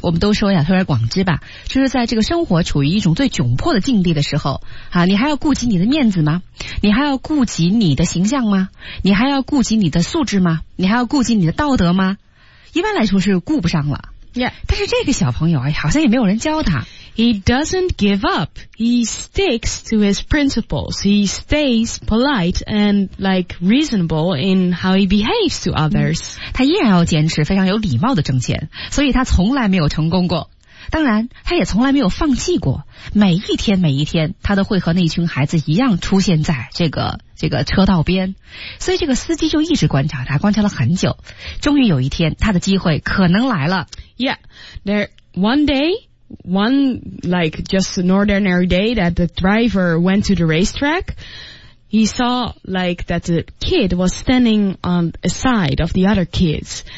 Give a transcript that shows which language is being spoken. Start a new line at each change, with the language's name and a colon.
Chinese: 我们都说呀，推而广之吧，就是在这个生活处于一种最窘迫的境地的时候啊，你还要顾及你的面子吗？你还要顾及你的形象吗？你还要顾及你的素质吗？你还要顾及你的道德吗？一般来说是顾不上了。
English: Yeah.
Chinese: 但是这个小朋友好像也没有人教他。
English: He doesn't give up. He sticks to his principles. He stays polite and, like, reasonable in how he behaves to others.
Chinese: 他依然要坚持非常有礼貌的挣钱，所以他从来没有成功过。当然，他也从来没有放弃过。每一天，每一天，他都会和那群孩子一样出现在这个车道边。所以这个司机就一直观察他，观察了很久。终于有一天，他的机会可能来了。
English: Yeah, there one day, one like just an ordinary day that the driver went to the racetrack, he saw like that the kid was standing on a side of the other kids.